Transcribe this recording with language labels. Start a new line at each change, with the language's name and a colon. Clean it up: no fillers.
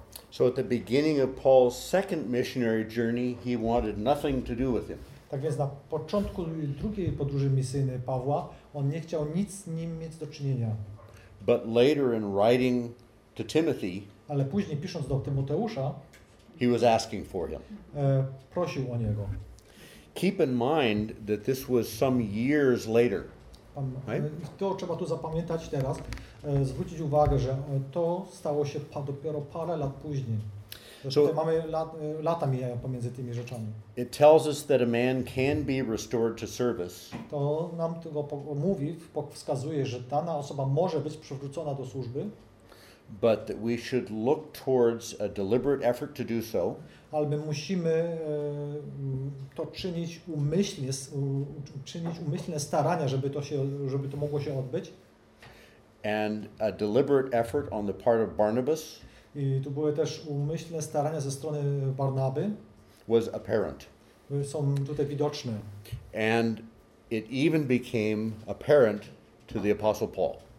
English: So at the beginning of Paul's second missionary journey, he wanted nothing to do with him.
Polish: Tak więc na początku drugiej podróży misyjnej Pawła on nie chciał nic z nim mieć do czynienia.
English: But later in writing to Timothy,
Polish: ale później pisząc do Tymoteusza,
English: he was asking for him.
Polish: Prosił o niego.
English: Keep in mind that this was some years later. Right?
Polish: To trzeba tu zapamiętać teraz, zwrócić uwagę, że to stało się dopiero parę lat później. So mamy lata mijają pomiędzy tymi rzeczami.
English: It tells us that a man can be restored to service.
Polish: To nam tego mówi, wskazuje, że dana osoba może być przywrócona do służby.
English: But that we should look towards a deliberate effort to do so.
Polish: Ale my musimy to czynić umyślnie, czynić umyślne starania, żeby to mogło się odbyć.
English: And a deliberate effort on the part of Barnabas.
Polish: I tu były też umyślne starania ze strony Barnaby.
English: Was apparent.
Polish: Są tutaj widoczne.
English: And it even became apparent to the Apostle Paul.